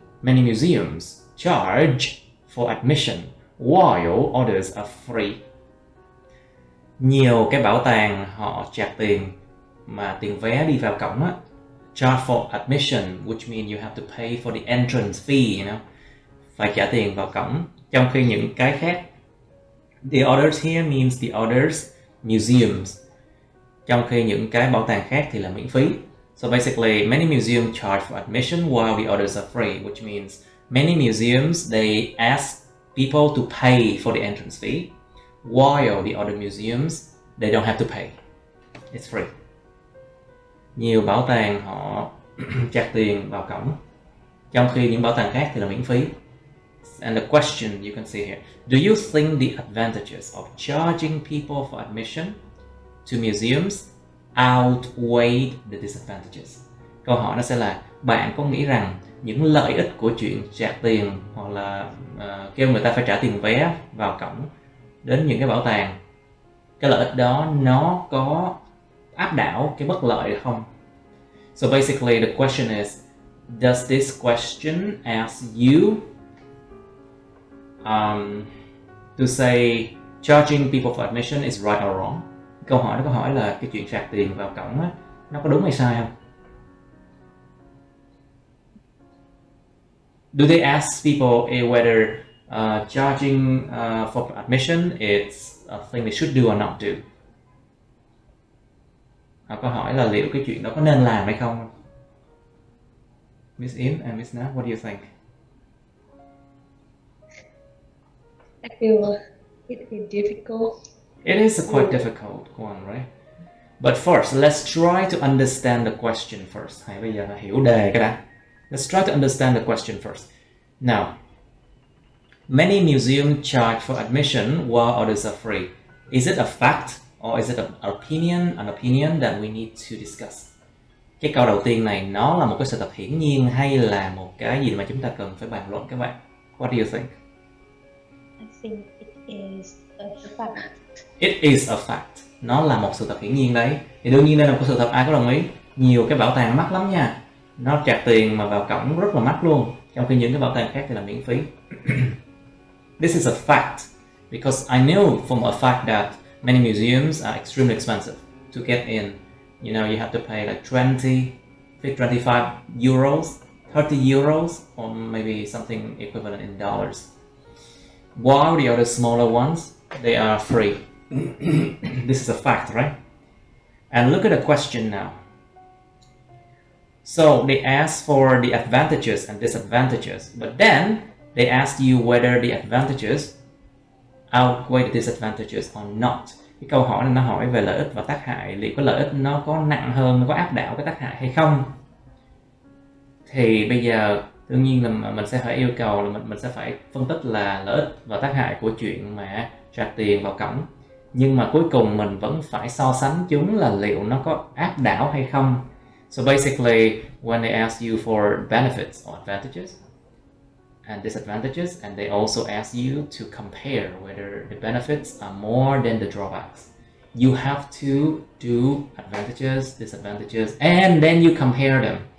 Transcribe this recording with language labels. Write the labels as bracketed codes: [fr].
[en] Many museums charge for admission while others are free. [vi] Nhiều cái bảo tàng họ trả tiền, mà tiền vé đi vào cổng á, [en] charge for admission, which means you have to pay for the entrance fee, you know, [vi] phải trả tiền vào cổng. Trong khi những cái khác, [en] the others here means the others, museums. [vi] Trong khi những cái bảo tàng khác thì là miễn phí. [en] So basically, many museums charge for admission while the others are free, which means many museums, they ask people to pay for the entrance fee, while the other museums, they don't have to pay. It's free. [vi] Nhiều bảo tàng họ trả tiền vào cổng, trong khi những bảo tàng khác thì là miễn phí. [en] And the question you can see here: do you think the advantages of charging people for admission to museums outweigh the disadvantages? [vi] Câu hỏi nó sẽ là: bạn có nghĩ rằng những lợi ích của chuyện trả tiền hoặc là kêu người ta phải trả tiền vé vào cổng đến những cái bảo tàng, cái lợi ích đó nó có áp đảo cái bất lợi không? [en] So basically the question is, does this question ask you to say charging people for admission is right or wrong? [vi] Câu hỏi nó có hỏi là cái chuyện phạt tiền vào cổng á, nó có đúng hay sai không? [en] Do they ask people whether charging for admission is a thing they should do or not do? [vi] Có hỏi là liệu cái chuyện đó có nên làm hay không? [en] Miss Yin and Miss Na, what do you think? I feel a bit difficult. It is a quite difficult one, right? But first, let's try to understand the question first. [vi] Hay bây giờ là hiểu đề cái đã. [en] Let's try to understand the question first. Now, many museums charge for admission while others are free. Is it a fact? Or is it an opinion that we need to discuss? [vi] Cái câu đầu tiên này nó là một cái sự thật hiển nhiên hay là một cái gì mà chúng ta cần phải bàn luận các bạn? [en] What do you think? I think it is a fact. It is a fact. [vi] Nó là một sự thật hiển nhiên đấy. Thì đương nhiên đây là một sự thật, ai có đồng ý? Nhiều cái bảo tàng mắc lắm nha. Nó trả tiền mà vào cổng rất là mắc luôn. Trong khi những cái bảo tàng khác thì là miễn phí. [en] This is a fact. Because I knew from a fact that many museums are extremely expensive to get in. You know, you have to pay like 25 euros, 30 euros, or maybe something equivalent in dollars. While the other smaller ones, they are free. This is a fact, right? And look at the question now. So they ask for the advantages and disadvantages, but then they ask you whether the advantages outweigh the disadvantages or not. [vi] Cái câu hỏi này nó hỏi về lợi ích và tác hại, liệu có lợi ích nó có nặng hơn, nó có áp đảo cái tác hại hay không. Thì bây giờ đương nhiên là mình sẽ phải yêu cầu là mình sẽ phải phân tích là lợi ích và tác hại của chuyện mà trả tiền vào cổng, nhưng mà cuối cùng mình vẫn phải so sánh chúng là liệu nó có áp đảo hay không. [en] So basically when they ask you for benefits or advantages and disadvantages, and they also ask you to compare whether the benefits are more than the drawbacks. You have to do advantages, disadvantages, and then you compare them.